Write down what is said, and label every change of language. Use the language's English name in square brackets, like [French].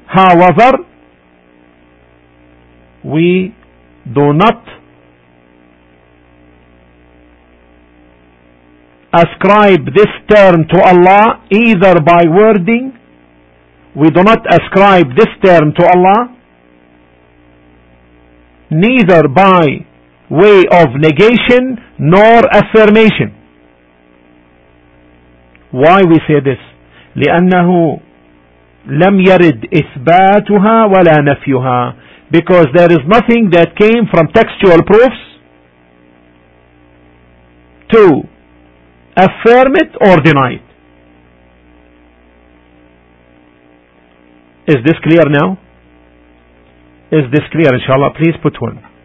[English] However, we do not ascribe this term to Allah either by wording. We do not ascribe this term to Allah neither by way of negation nor affirmation. Why we say this? [Arabic] لأنه لم يرد إثباتها ولا نفيها. [English] Because there is nothing that came from textual proofs to affirm it or deny it. Is this clear now? Is this clear, inshallah? Please put one.